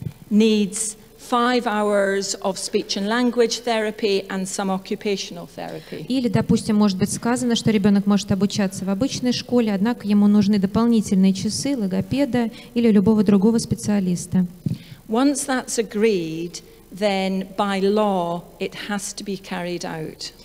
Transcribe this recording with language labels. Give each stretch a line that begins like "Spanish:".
English: Needs 5 hours of speech and language therapy and some occupational therapy.
Russian: Или, допустим, может быть сказано, что ребенок может обучаться в обычной школе, однако ему нужны дополнительные часы логопеда или любого другого специалиста.
English: Once that's agreed, then by law it has to be carried out.